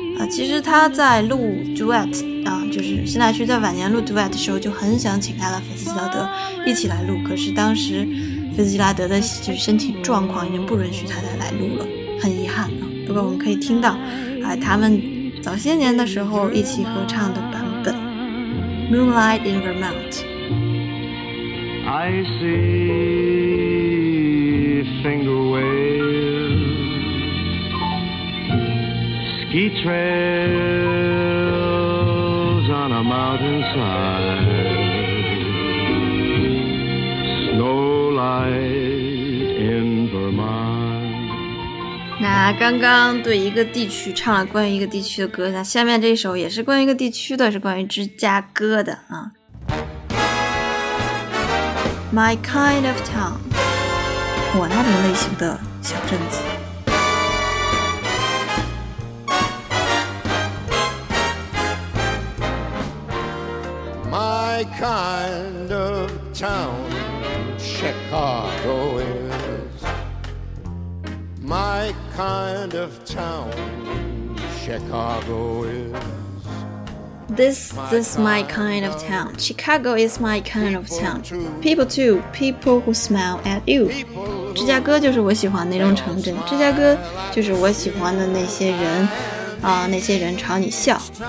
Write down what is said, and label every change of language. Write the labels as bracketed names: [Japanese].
[Chinese] 其实他在录 duet 啊，就是辛纳区在晚年录 duet 的时候就很想请艾拉菲茨吉拉德一起来录，可是当时菲茨吉拉德的就是身体状况已经不允许他再来录了，很遗憾啊。不过我们可以听到啊，他们早些年的时候一起合唱的版本 Moonlight in Vermont。 [English] I see finger waveski trails on a mountainside, snow light in Vermont. [Chinese] 那刚刚对一个地区唱了关于一个地区的歌，那下面这首也是关于一个地区的，是关于芝加哥的啊。 [English] My kind of town, [Chinese] 我那种类型的小镇子。 [English] My kind of town, Chicago is. My kind of town, Chicago is. This is my kind of town. Chicago is my kind of town. People too, people who smile at you. [Chinese] 芝加哥就是我喜欢那种城镇，芝加哥就是我喜欢的那些人，啊，那些人朝你笑。